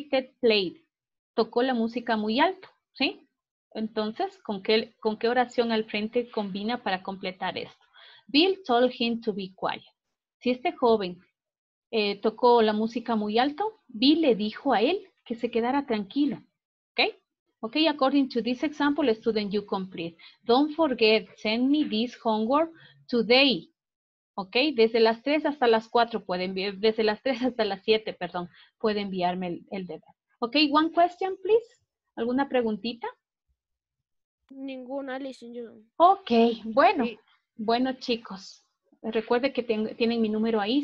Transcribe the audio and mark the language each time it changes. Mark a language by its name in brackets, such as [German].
[English] Ted played, [Spanish] tocó la música muy alto, ¿sí? Entonces, ¿con qué oración al frente combina para completar esto? [English] Bill told him to be quiet. [Spanish] Si este joven tocó la música muy alto, Bill le dijo a él que se quedara tranquilo, ¿ok? [English] Ok, according to this example, student, you complete. Don't forget, send me this homework today, [Spanish] ¿ok? Desde las 3 hasta las 4 pueden enviar, desde las 3 hasta las 7, perdón, puede enviarme el deber. [English] Ok, one question, please. [Spanish] ¿Alguna preguntita? Ninguna, [English] listen, [Spanish] yo. Ok, bueno, sí. Bueno, chicos. Recuerde que tienen mi número ahí.